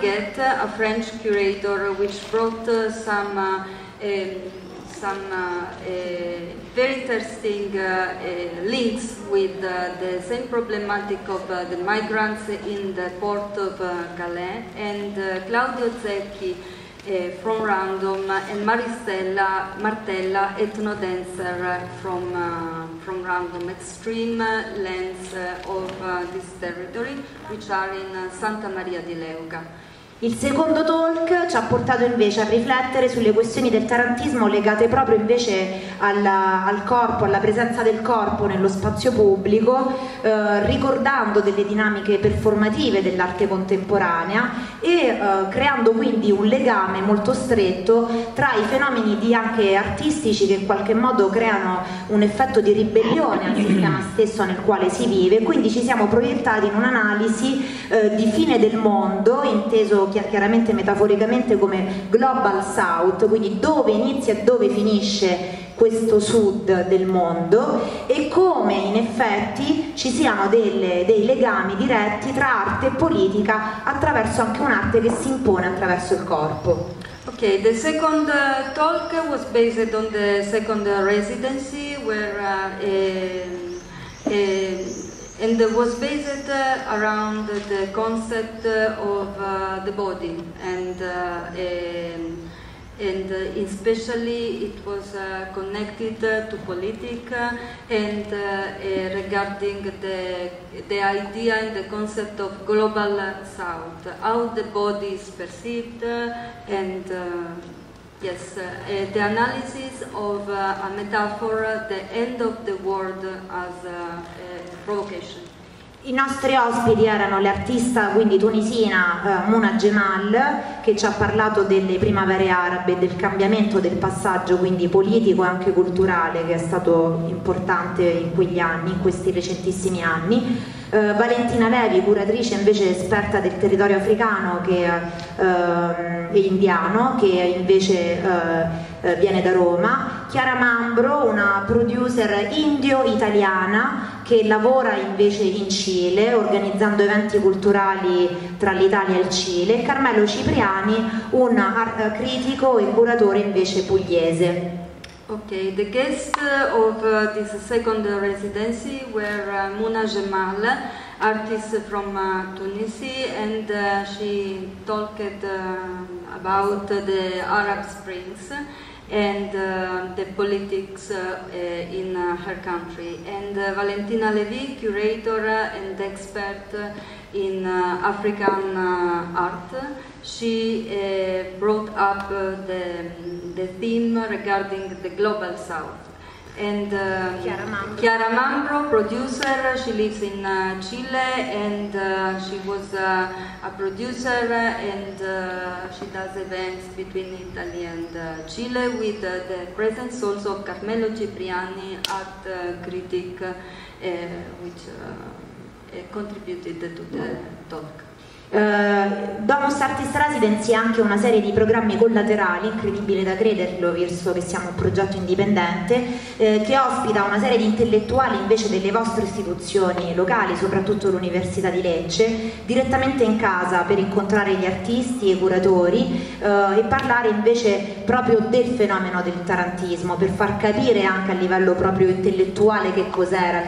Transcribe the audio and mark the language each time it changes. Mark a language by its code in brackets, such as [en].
[en] Guett, a French curator, which brought some very interesting links with the same problematic of the migrants in the port of Calais, and Claudio Zecchi from Random, and Maristella Martella, ethno-dancer from Random, extreme lands of this territory, which are in Santa Maria di Leuca. [it] Il secondo talk ci ha portato invece a riflettere sulle questioni del tarantismo legate proprio invece al corpo, alla presenza del corpo nello spazio pubblico, ricordando delle dinamiche performative dell'arte contemporanea e creando quindi un legame molto stretto tra i fenomeni di anche artistici che in qualche modo creano un effetto di ribellione al sistema stesso nel quale si vive. Quindi ci siamo proiettati in un'analisi di fine del mondo, inteso chiaramente metaforicamente come Global South, quindi dove inizia e dove finisce questo sud del mondo, e come in effetti ci siano dei legami diretti tra arte e politica attraverso anche un'arte che si impone attraverso il corpo. [en] Ok, the second talk was based on the second residency where and it was based around the concept of the body, and especially it was connected to politics and regarding the idea and the concept of global south, how the body is perceived, and the analysis of a metaphor, the end of the world as provocation. [it] I nostri ospiti erano l'artista quindi tunisina Mouna Jemal, che ci ha parlato delle primavere arabe, del cambiamento, del passaggio quindi politico e anche culturale che è stato importante in quegli anni, in questi recentissimi anni. Valentina Levi, curatrice invece esperta del territorio africano che, e indiano, che invece viene da Roma. Chiara Mambro, una producer indio-italiana che lavora invece in Cile, organizzando eventi culturali tra l'Italia e il Cile. Carmelo Cipriani, un critico e curatore invece pugliese. [en] Okay, the guests of this second residency were Mouna Jemal, artist from Tunisia, and she talked about the Arab Springs and the politics in her country. And Valentina Levy, curator and expert in African art, she brought up the theme regarding the Global South. And Chiara Mambro, producer, she lives in Chile, and she was a producer, and she does events between Italy and Chile with the presence also of Carmelo Cipriani, art critic, which contributed to the talk. [it] Domus Artis Residency ha anche una serie di programmi collaterali, incredibile da crederlo visto che siamo un progetto indipendente, che ospita una serie di intellettuali invece delle vostre istituzioni locali, soprattutto l'Università di Lecce, direttamente in casa per incontrare gli artisti e i curatori e parlare invece proprio del fenomeno del tarantismo, per far capire anche a livello proprio intellettuale che cos'era,